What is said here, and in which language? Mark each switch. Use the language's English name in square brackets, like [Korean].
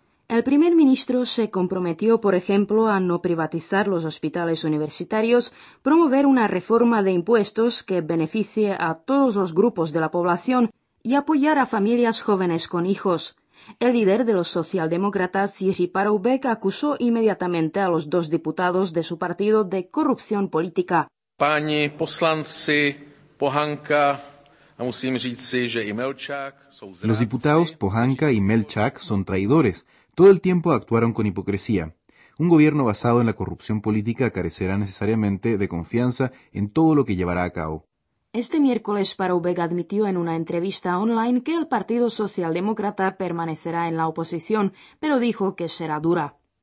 [Spanish] El primer ministro se comprometió, por ejemplo, a no privatizar los hospitales universitarios, promover una reforma de impuestos que beneficie a todos los grupos de la población y apoyar a familias jóvenes con hijos. El líder de los socialdemócratas, Jiří Paroubek, acusó inmediatamente a los dos diputados de su partido de corrupción política. [Czech] Páni poslanci Pohanka, musím říci, že i Melčák jsou zrádci. [Spanish] Los diputados Pohanka y Melčák son traidores. Todo el tiempo actuaron con hipocresía. Un gobierno basado en la corrupción política carecerá necesariamente de confianza en todo lo que llevará a cabo. Este miércoles, Paroubek admitió en una entrevista online que el Partido Socialdemócrata permanecerá en la oposición, pero dijo que será dura.